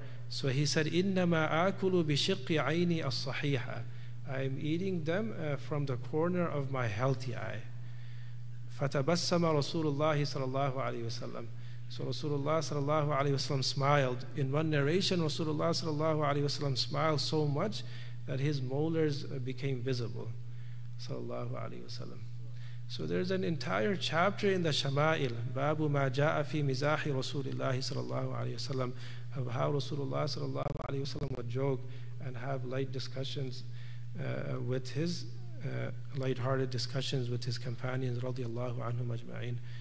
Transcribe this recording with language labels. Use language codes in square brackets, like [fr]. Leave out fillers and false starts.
[en] So he said, [ar] إِنَّمَا أَكُلُ بِشِقِّ عَيْنِي الصَّحِيحَةِ. [en] I am eating them from the corner of my healthy eye. [ar] فَتَبَسَّمَ رَسُولُ اللَّهِ صَلَى اللَّهُ عَلَيْهِ وَسَلَّمَ. [en] So Rasulullah صلى الله عليه وسلم smiled. In one narration, Rasulullah صلى الله عليه وسلم smiled so much that his molars became visible. [ar] صلى الله عليه وسلم. [en] So there's an entire chapter in the Shama'il, [ar] بَابُ مَا جَاءَ فِي مِزَاحِ رَسُولِ اللَّهِ صلى الله عليه وسلم, [en] of how Rasulullah sallallahu alayhi wa sallam would joke and have light discussions with his light-hearted discussions with his companions radiyallahu anhum ajma'in.